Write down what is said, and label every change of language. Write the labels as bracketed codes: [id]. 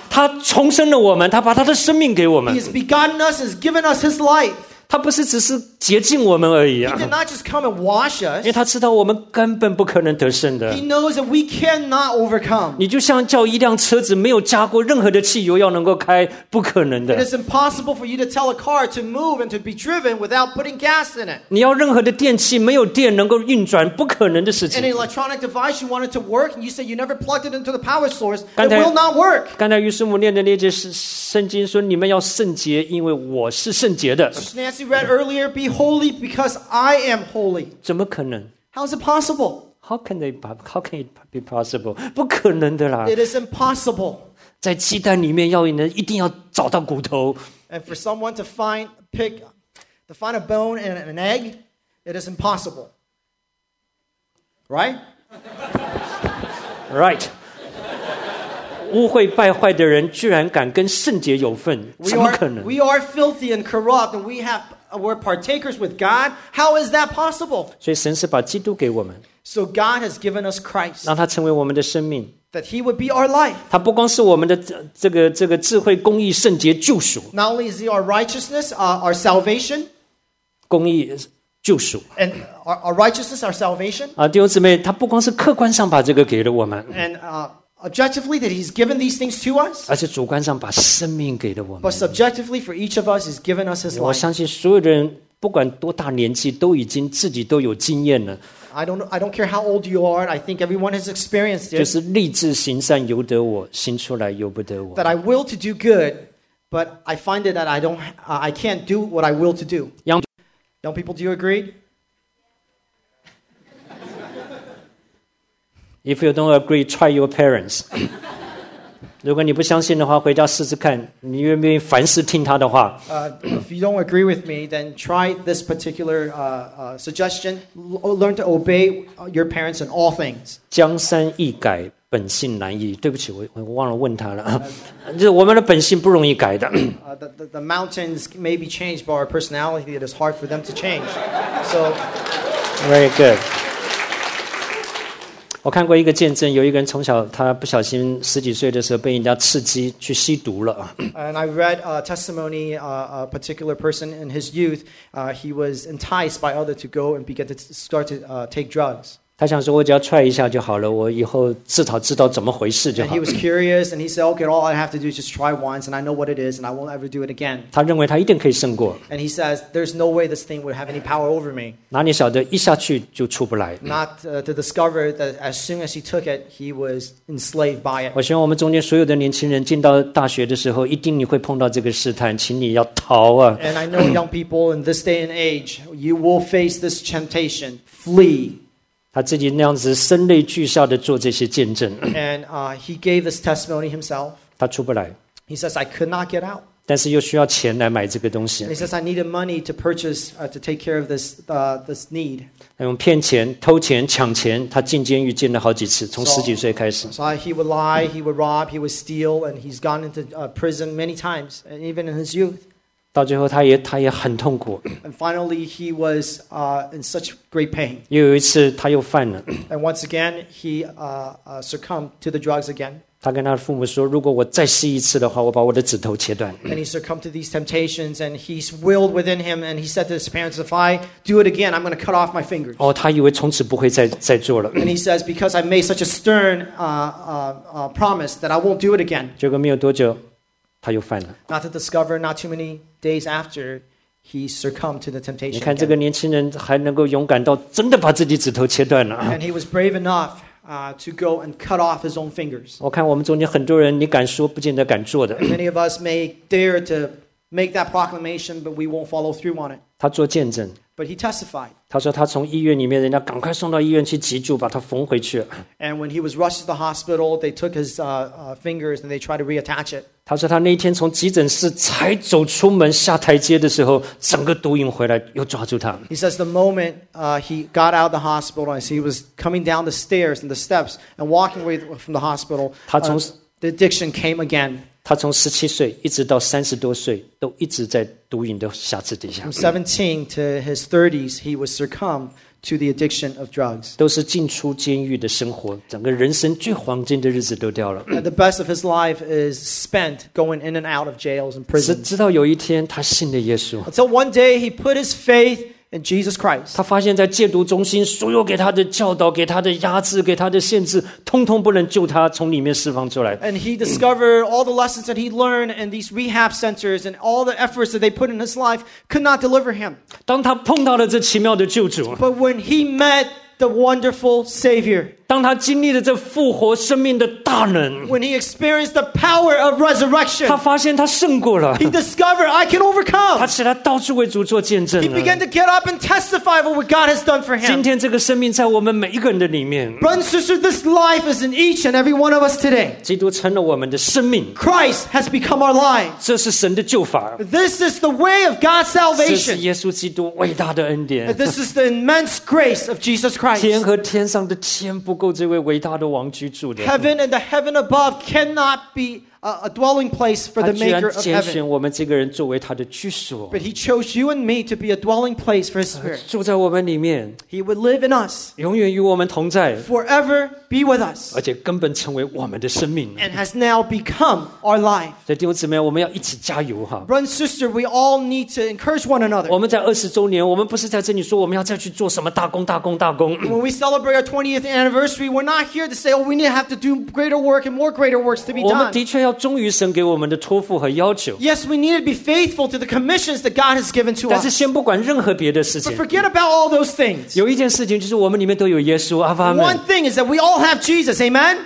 [zh] 他重生了我们，他把他的生命给我们。 [en] He has begotten us, has given us his life. [zh] 他不是只是洁净我们而已啊。 [en] He did not just come and wash us. [zh] 因为他知道我们根本不可能得胜的。 [en] He knows that we cannot overcome. [zh] 你就像叫一辆车子没有加过任何的汽油要能够开，不可能的。 [en] It is impossible for you to tell a car to move and to be driven without putting gas in it. [zh] 你要任何的电器没有电能够运转，不可能的事情。 [en] An electronic device you wanted to work and you said you never plugged it into the power source, it will not work. [zh] 刚才于师母念的那节圣经说，你们要圣洁，因为我是圣洁的。 [en] You read earlier, be holy because I am holy. [zh] 怎么可能？ [en] How is it possible? How can it be possible? [zh] 不可能的啦。 [en] It is impossible. [zh] 在鸡蛋里面要人一定要找到骨头。 [en] And for someone to find a bone and an egg, it is impossible. Right? Right. [zh] 污秽败坏的人居然敢跟圣洁有份，怎么可能？ [en] We are filthy and corrupt, and we're partakers with God. How is that possible? [zh] 所以神是把基督给我们。 [en] So God has given us Christ. [zh] 让他成为我们的生命。 [en] That He would be our life. [zh] 他不光是我们的这个智慧、公义、圣洁、救赎。 [en] Not only is He our righteousness, our salvation. [zh] 公义。救赎 [en] and our righteousness, our salvation. [zh] 啊，弟兄姊妹，他不光是客观上把这个给了我们 [en] ，and objectively that He's given these things to us. [zh] 而且主观上把生命给了我们 [en] ，but subjectively for each of us, He's given us His life. [zh] 我相信所有的人，不管多大年纪，都已经自己都有经验了。 [en] I don't care how old you are. I think everyone has experienced it. [zh] 就是立志行善由得我，行出来由不得我。 [en] That I will to do good, but I find it that I can't do what I will to do. Young people, do you agree? If you don't agree, try your parents. [zh] 如果你不相信的话，回家试试看，你愿不愿意凡事听他的话。 [en] If you don't agree with me, then try this particular suggestion. Learn to obey your parents in all things. [zh] 江山易改，本性难移。对不起，我忘了问他了。就是我们的本性不容易改的。 [en] The mountains may be changed, but our personality, it is hard for them to change. So, very good. [zh] 我看过一个见证，有一个人从小他不小心十几岁的时候被人家刺激去吸毒了。 [en] And I read a testimony, a particular person in his youth, he was enticed by others to go and begin to start to take drugs. [zh] 他想说我只要踹一下就好了，我以后至少知道怎么回事就好了。 [en] And he was curious and he said, okay, all I have to do is just try once and I know what it is and I won't ever do it again. [zh] 他认为他一定可以胜过。 [en] And he says, there's no way this thing would have any power over me. [zh] 哪里晓得一下去就出不来。 [en] Not to discover that as soon as he took it, he was enslaved by it. [zh] 我希望我们中间所有的年轻人进到大学的时候一定你会碰到这个试探，请你要逃啊。 [en] And I know young people in this day and age, you will face this temptation, flee. [zh] 他自己那样子声泪俱下的做这些见证 [en] and, he gave this testimony himself. [zh] 他出不来 [en] He says I could not get out. [zh] 但是又需要钱来买这个东西 [en] He says I needed money to purchase to take care of this need. [zh] 他用骗钱偷钱抢钱他进监狱进了好几次从十几岁开始 [en] So he would lie, he would rob, he would steal and he's gone into prison many times and even in his youth. [zh] 到最后他也很痛苦 [en] And finally he was in such great pain [zh] 又有一次他又犯了 [en] And once again he succumbed to the drugs again [zh] 他跟他的父母说如果我再吸一次的话我把我的指头切断 [en] And he succumbed to these temptations and he's willed within him and he said to his parents if I do it again I'm going to cut off my fingers [zh] 哦，他以为从此不会再做了 [en] And he says because I made such a stern promise that I won't do it again [zh] 结果没有多久他又犯了 [en] Not to discover not too many days after he succumbed to the temptation [zh] 你看这个年轻人还能够勇敢到真的把自己指头切断了 [en] And he was brave enough to go and cut off his own fingers [zh] 我看我们中间很多人你敢说不见得敢做的 [en] Many of us may dare to make that proclamation but we won't follow through on it [zh] 他做见证 [en] But he testified [zh] 他说他从医院里面人家赶快送到医院去急救把他缝回去 [en] And when he was rushed to the hospital they took his fingers and they tried to reattach it [zh] 他说他那一天从急诊室才走出门下台阶的时候整个毒瘾回来又抓住他 [en] He says the moment he got out of the hospital he was coming down the stairs and the steps and walking away from the hospital the addiction came again [zh] 他从17岁一直到30多岁都一直在毒瘾的辖制底下 [en] From 17 to his 30s he was succumbed to the addiction of drugs [zh] 都是进出监狱的生活整个人生最黄金的日子都掉了 [en] The best of his life is spent going in and out of jails and prisons [zh] 直到有一天他信了耶稣 [en] Until one day he put his faith in Jesus Christ [zh] 他发现在戒毒中心所有给他的教导给他的压制给他的限制通通不能救他从里面释放出来 [en] And he discovered all the lessons that he learned in these rehab centers and all the efforts that they put in his life could not deliver him [zh] 当他碰到了这奇妙的救主 [en] But when he met the wonderful Savior [zh] 当他经历了这复活生命的大能 [en] When he experienced the power of resurrection, [zh] 他发现他胜过了 [en] He discovered I can overcome. [zh] 他起来到处为主做见证 [en] 了 He began to get up and testify for what God has done for him. [zh] 今天这个生命在我们每一个人的里面 [en] Brothers and sisters, this life is in each and every one of us today. [zh] 基督成了我们的生命 [en] Christ has become our life. [zh] 这是神的救法 [en] This is the way of God's salvation. [zh] 这是耶稣基督伟大的恩典 [en] This is the immense grace of Jesus Christ. [zh] 天和天上的天不够这位伟大的王居住的。 [en] Heaven and the heaven above cannot be a dwelling place for the maker of heaven. [zh] 他居然拣选我们这个人作为他的居所。 [en] But he chose you and me to be a dwelling place for his spirit. [zh] 住在我们里面。 [en] He would live in us. [zh] 永远与我们同在。 [en] Forever be with us. [zh] 而且根本成为我们的生命。 [en] And has now become our life. [zh] 弟兄姊妹，我们要一起加油哈。 [en] Brother and sister, we all need to encourage one another. [zh] 我们在二十周年，我们不是在这里说我们要再去做什么大功大功大功。 [en] When we celebrate our 20th anniversary, we're not here to say, oh, we need to have to do greater work and more greater works to be done. [zh] 我们的确要忠于神给我们的托付和要求。 [en] Yes, we need to be faithful to the commissions that God has given to us. [zh] 但是先不管任何别的事情。 [en] But forget about all those things. [zh] 有一件事情就是我们里面都有耶稣，阿爸们。 [en] One thing is that we all have Jesus, amen?